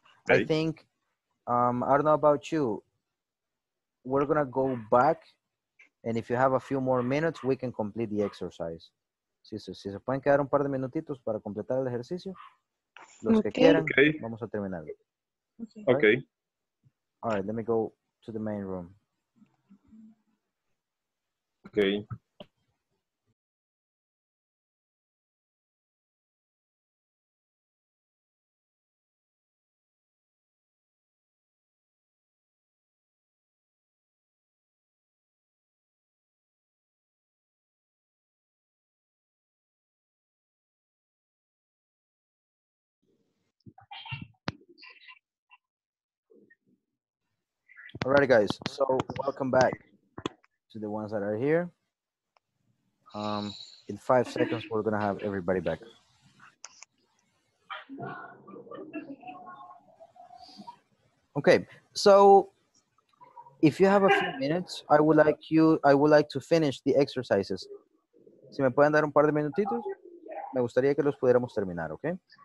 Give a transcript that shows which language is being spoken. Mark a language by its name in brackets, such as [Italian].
[English] Okay. I think, I don't know about you, we're going to go back, and if you have a few more minutes, we can complete the exercise. [Spanish] Si se pueden quedar un par de minutitos para completar el ejercicio, los que quieran, vamos a terminar. [English] Okay. All right, let me go to the main room. Okay. All right, guys, so welcome back to the ones that are here. In 5 seconds, we're gonna have everybody back. Okay, so if you have a few minutes, I would like to finish the exercises. [Spanish] Si me pueden dar un par de minutitos, me gustaría que los pudiéramos terminar, okay?